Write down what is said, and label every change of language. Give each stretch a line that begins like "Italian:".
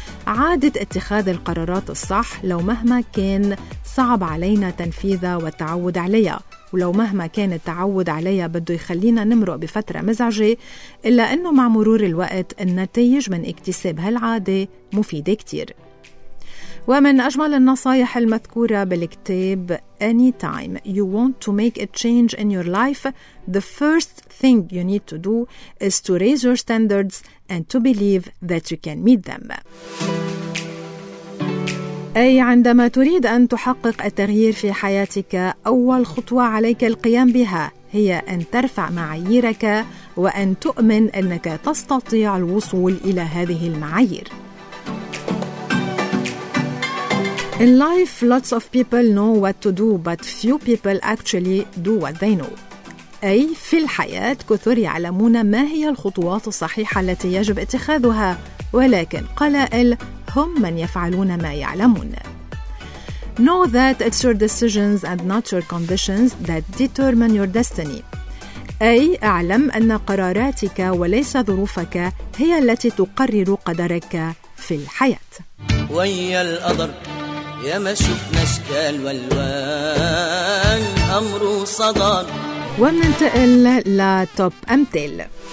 Arabic: عادة اتخاذ القرارات الصح لو مهما كان صعب علينا تنفيذها والتعود عليها، ولو مهما كان التعود عليها بده يخلينا نمرق بفترة مزعجة، إلا أنه مع مرور الوقت النتائج من اكتساب هالعادة مفيدة كتير. ومن أجمل النصايح المذكورة بالكتاب
English: Anytime you want to make a change in your life, the first thing you need to do is to raise your standards and to believe that you can meet them.
Arabic: أي عندما تريد أن تحقق التغيير في حياتك، أول خطوة عليك القيام بها هي أن ترفع معاييرك وأن تؤمن أنك تستطيع الوصول إلى هذه المعايير.
English: In life, lots of people know what to do, but few people actually do what they know.
Arabic: أي في الحياة كثر يعلمون ما هي الخطوات الصحيحة التي يجب اتخاذها، ولكن قلائل هم من يفعلون ما يعلمون.
English: Know that it's your decisions and not your conditions that determine your destiny.
Arabic: أي اعلم أن قراراتك وليس ظروفك هي التي تقرر قدرك في الحياة. ويا القدر يا ما شفنا اشكال والوان امره صدر. وننتقل لتوب امثال.